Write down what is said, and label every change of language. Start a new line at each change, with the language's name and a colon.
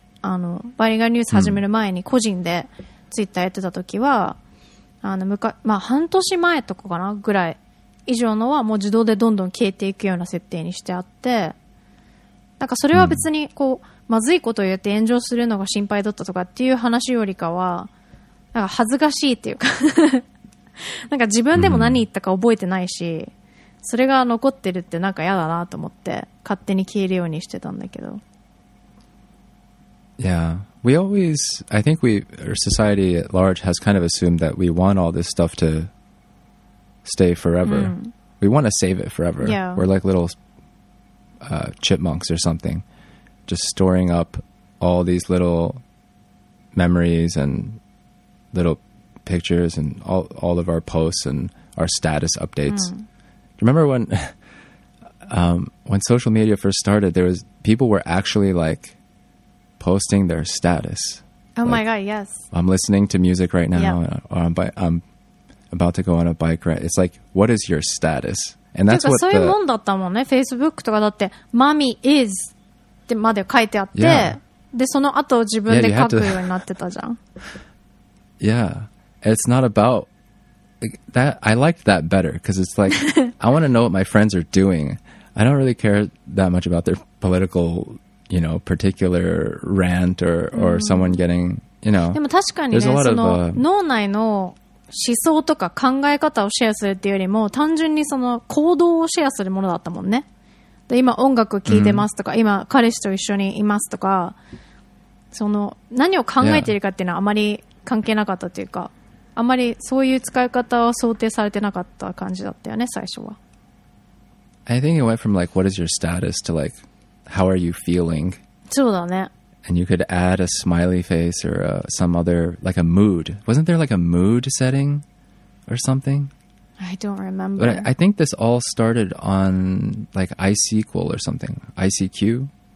Japanese: Mm-hmm. あの、バイリンガルニュース始める前に個人でツイッターやってた時は、あの、まあ、半年前とかかなぐらい以上のはもう自動でどんどん消えていくような設定にしてあって、なんかそれは別にこう、まずいことを言って炎上するのが心配だったとかっていう話よりかは、なんか恥ずかしいっていうか、なんか自分でも何言ったか覚えてないし、それが残ってるってなんか嫌だなと思って、勝手に消えるようにしてたんだけど。
English: Yeah. We always, I think we, our society at large has kind of assumed that we want all this stuff to stay forever. We want to save it forever. Yeah. We're like little chipmunks or something, just storing up all these little memories and little pictures and all of our posts and our status updates. Remember when social media first started, people were actually like posting their status. Oh, like, my God, yes. I'm listening to music right now. Yeah. Or I'm about to go on a bike ride. It's like, what is your status? And that's what
Japanese: そういうもんだったもんね。 Facebook とかだって、
English: Mommy is
Japanese: ってまで書いてあって、
English: yeah.
Japanese: で、その後自分で書くようになってたじゃん。
English: Yeah, it's not about like, that. I liked that better because it's like I want to know what my friends are doing. I don't really care that much about their political, you know, particular rant or someone getting, you know.
Japanese: でも確かにね、その脳内の思想とか考え方をシェアするっていうよりも、単純にその行動をシェアするものだったもんね。で、今音楽聞いてますとか、今彼氏と一緒にいますとか、その何を考えているかっていうのはあまり関係なかったというか、あまりそういう使い方は想定されてなかった感じだったよね、最初は。
English: I think it went from like, what is your status to like, how are you feeling?
Japanese: そうだね。
English: And you could add a smiley face or some other, like a mood. Wasn't there like a mood setting or something? I don't remember. But I think this all started on like iSQL or something. ICQ?